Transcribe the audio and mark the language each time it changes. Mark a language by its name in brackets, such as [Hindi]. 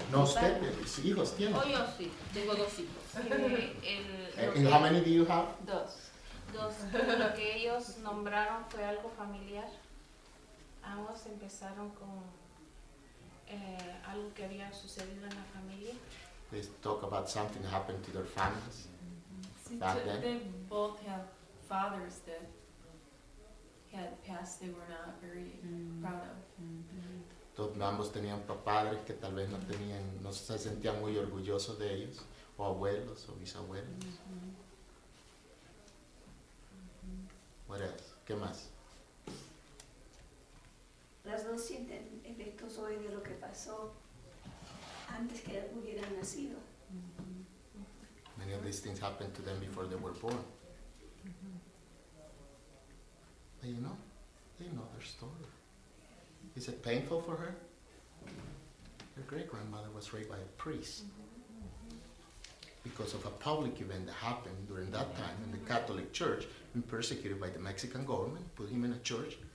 [Spanish] No, ustedes, hijos tienen. Oh, yo sí, tengo dos hijos. [English] ¿Y how many do you have? [Spanish] Dos. Lo que ellos nombraron fue algo familiar. Ambos empezaron con algo que había sucedido en la familia. [English] They talk about something happened to their families. Mm-hmm. See, they both have fathers that had passed they were not very proud of. Mm-hmm. [Spanish] ambos tenían padres que tal vez no tenían, no se sentían muy orgullosos de ellos, o abuelos o bisabuelos. [English] What else? [Spanish] ¿Qué más? Las dos sienten efectos hoy de lo que pasó antes que hubieran nacido. [English] Many of these things happened to them before they were born. But you know, they know their story. Is it painful for her? Her great-grandmother was raped by a priest because of a public event that happened during that time in the Catholic Church, being persecuted by the Mexican government, put him in a church.